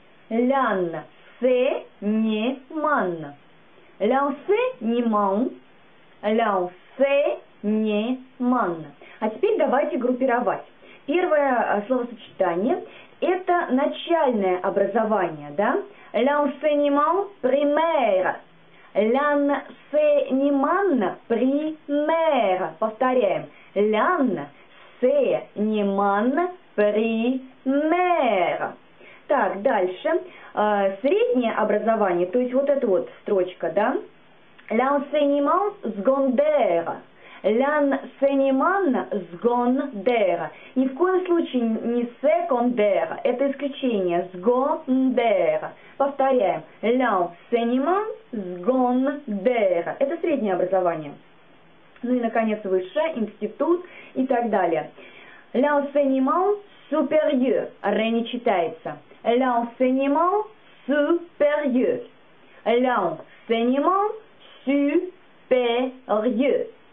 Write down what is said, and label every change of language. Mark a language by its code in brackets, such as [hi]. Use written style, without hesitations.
[fr] L'enseignement. L'enseignement. L'enseignement. [ru] А теперь давайте группировать. Первое словосочетание – это начальное образование, да? [fr] L'enseignement primaire. L'enseignement primaire. [ru] Повторяем. [fr] L'enseignement primaire. [ru] Так, дальше. Среднее образование, то есть вот эта вот строчка, да? [fr] L'enseignement secondaire. L'enseignement secondaire. [ru] Ни в коем случае не secondaire. Это исключение. Secondaire. Повторяем. [fr] L'enseignement secondaire. [ru] Это среднее образование. Ну и, наконец, высшее, институт и так далее. [fr] L'enseignement supérieur. [ru] Ре не читается. [fr] L'enseignement supérieur. L'enseignement supérieur.